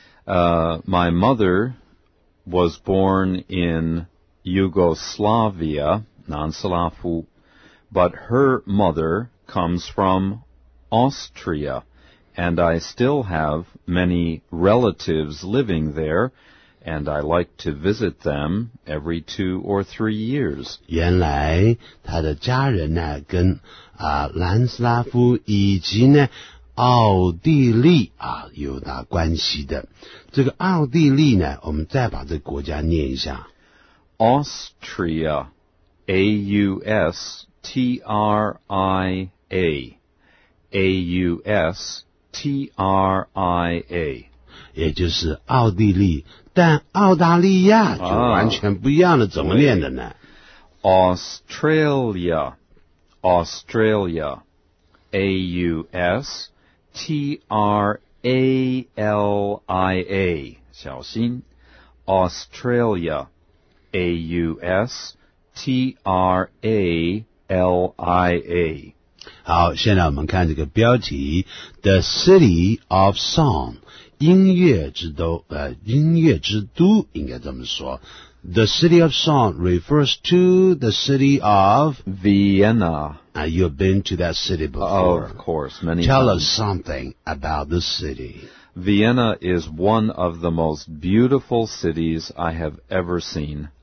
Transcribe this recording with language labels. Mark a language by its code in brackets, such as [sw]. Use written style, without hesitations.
[en] My mother was born in Yugoslavia, Nanslafu, but her mother comes from Austria, and I still have many relatives living there, and I like to visit them every 2 or 3 years. [zh] 原来他的家人呢跟南斯拉夫以及呢奥地利啊有大关系的。这个奥地利呢，我们再把这个国家念一下。 [en] Austria, A-U-S-T-R-I-A, A-U-S-T-R-I-A. [zh] 也就是奥地利，但澳大利亚就完全不一样了，怎么念的呢 [en] ？Australia, Australia, A U S T R A L I A， 小心 ，Australia, A U S T R A L I A。 [zh] 好，现在我们看这个标题 ，The City of Song。音乐之都，音乐之都应该这么说。 [en] The City of Song refers to the city of Vienna. You've been to that city before. Of course, many Tell Tell us something about the city. Vienna is one of the most beautiful cities I have ever seen.